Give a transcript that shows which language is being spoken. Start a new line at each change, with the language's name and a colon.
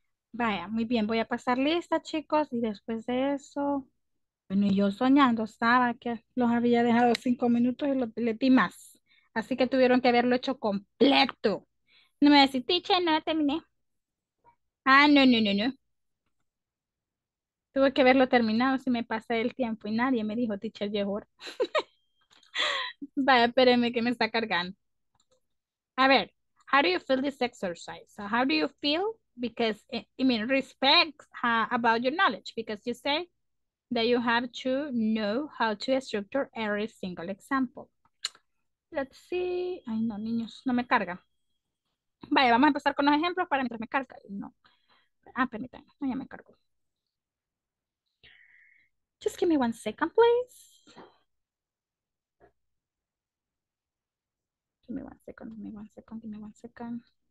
Spanish: Vaya, muy bien, voy a pasar lista, chicos, y después de eso, bueno, yo soñando estaba que los había dejado 5 minutos y le di más. Así que tuvieron que haberlo hecho completo. No me decís, teacher, no terminé. Ah, no, no, no, tuve que haberlo terminado si me pasé el tiempo y nadie me dijo, teacher, mejor. Vaya, espérenme que me está cargando. A ver,
English: how do you feel this exercise? So how do you feel? Because, I mean, respect about your knowledge, because you say that you have to know how to structure every single example. Let's see.
Spanish: Ay, no, niños, no me carga. Vaya, vamos a empezar con los ejemplos para mientras me carga. No. Ah, permítanme. No, ya me cargo.
English: Just give me one second, please. Give me one second.